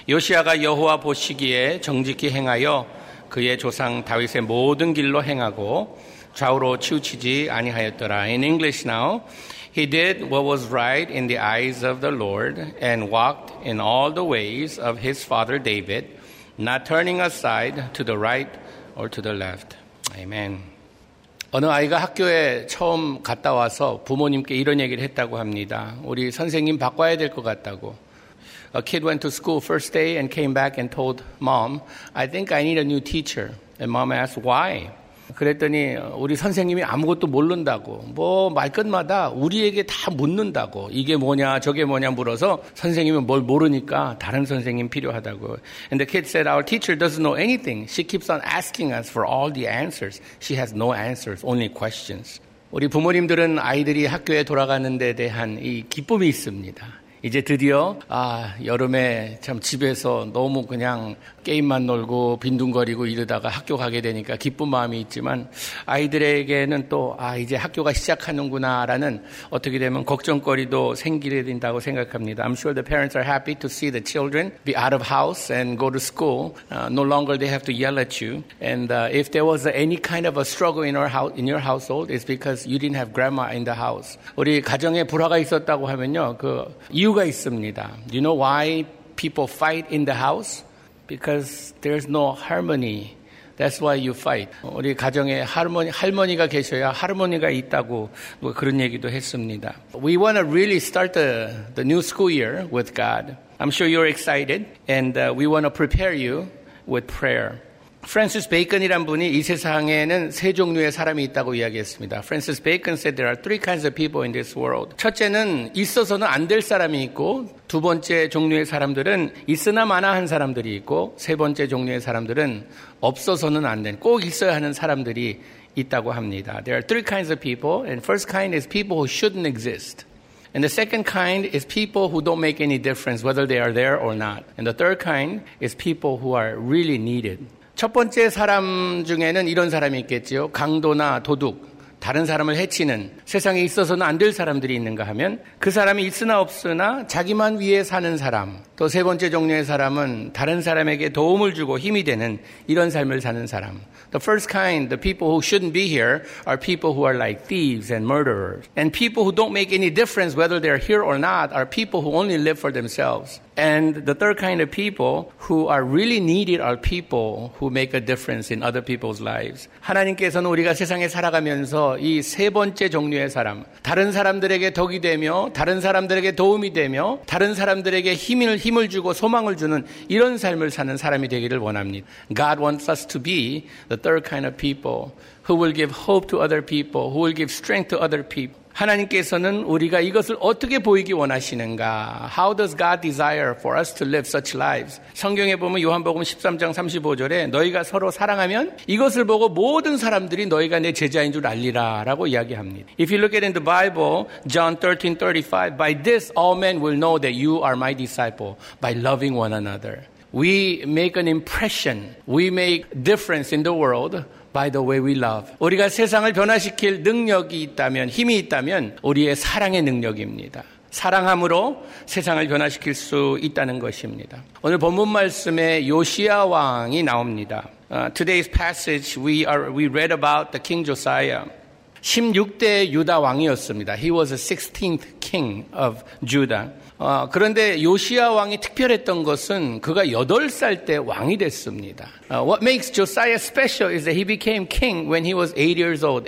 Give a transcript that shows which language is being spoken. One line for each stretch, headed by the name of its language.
Korean: 요시야가 여호와 보시기에 정직히 행하여 그의 조상 다윗의 모든 길로 행하고 좌우로 치우치지 아니하였더라.
English: In English now. He did what was right in the eyes of the Lord and walked in all the ways of his father David, not turning aside to the right or to the left. Amen.
Korean: 어느 아이가 학교에 처음 갔다 와서 부모님께 이런 얘기를 했다고 합니다. 우리 선생님 바꿔야 될 것 같다고.
English: A kid went to school first day and came back and told mom, I think I need a new teacher. And mom asked why.
Korean: 그랬더니 우리 선생님이 아무것도 모른다고 뭐 말끝마다 우리에게 다 묻는다고 이게 뭐냐 저게 뭐냐 물어서 선생님은 뭘 모르니까 다른 선생님 필요하다고
English: And the kid said our teacher doesn't know anything. She keeps on asking us for all the answers. She has no answers, only questions.
Korean: 우리 부모님들은 아이들이 학교에 돌아가는 데 대한 이 기쁨이 있습니다. 이제 드디어 여름에 참 집에서 너무 그냥 게임만 놀고 빈둥거리고 이러다가 학교 가게 되니까 기쁜 마음이 있지만 아이들에게는 또 이제 학교가 시작하는구나라는 어떻게 되면 걱정거리도 생기게 된다고 생각합니다.
English: I'm sure the parents are happy to see the children be out of house and go to school. No longer they have to yell at you. And if there was any kind of a struggle in your household, it's because you didn't have grandma in the house.
Korean: 우리 가정에 불화가 있었다고 하면요, 그 이유가 있습니다.
English: Do you know why people fight in the house? Because there's no harmony. That's why you fight.
Korean: 우리 가정에 할머니가 계셔야 하모니가 있다고 그런 얘기도 했습니다.
English: We want to really start the new school year with God. I'm sure you're excited. And we want to prepare you with prayer.
Korean: Francis Bacon이란 분이 이 세상에는 세 종류의 사람이 있다고 이야기했습니다.
English: Francis Bacon said there are three kinds of people in this world.
Korean: 첫째는 있어서는 안 될 사람이 있고 두 번째 종류의 사람들은 있으나 마나 한 사람들이 있고 세 번째 종류의 사람들은 없어서는 안 된 꼭 있어야 하는 사람들이 있다고 합니다.
English: There are three kinds of people and first kind is people who shouldn't exist. And the second kind is people who don't make any difference whether they are there or not. And the third kind is people who are really needed.
Korean: 첫 번째 사람 중에는 이런 사람이 있겠지요. 강도나 도둑, 다른 사람을 해치는 세상에 있어서는 안 될 사람들이 있는가 하면 그 사람이 있으나 없으나 자기만 위해 사는 사람, 또 세 번째 종류의 사람은 다른 사람에게 도움을 주고 힘이 되는 이런 삶을 사는 사람.
English: The first kind, the people who shouldn't be here, are people who are like thieves and murderers. And people who don't make any difference whether they're here or not are people who only live for themselves. And the third kind of people who are really needed are people who make a difference in other people's lives.
Korean: 하나님께서는 우리가 세상에 살아가면서 이 세 번째 종류의 사람, 다른 사람들에게 덕이 되며, 다른 사람들에게 도움이 되며, 다른 사람들에게 힘을 주고 소망을 주는 이런 삶을 사는 사람이 되기를 원합니다.
English: God wants us to be the third kind of people who will give hope to other people, who will give strength to other people.
Korean: 하나님께서는 우리가 이것을 어떻게 보이기 원하시는가?
English: How does God desire for us to live such lives?
Korean: 성경에 보면 요한복음 13장 35절에 너희가 서로 사랑하면 이것을 보고 모든 사람들이 너희가 내 제자인 줄 알리라 라고 이야기합니다.
English: If you look at in the Bible, John 13:35, by this all men will know that you are my disciple by loving one another. We make an impression, we make difference in the world. By the way we love.
Korean: 우리가 세상을 변화시킬 능력이 있다면, 힘이 있다면 우리의 사랑의 능력입니다. 사랑함으로 세상을 변화시킬 수 있다는 것입니다. 오늘 본문 말씀에 요시야 왕이 나옵니다.
English: Today's passage we read about the King Josiah.
Korean: 16대 유다 왕이었습니다.
English: He was the 16th king of Judah.
Korean: 그런데 요시야 왕이 특별했던 것은 그가 8살 때 왕이 됐습니다.
English: What makes Josiah special is that he became king when he was 8 years old.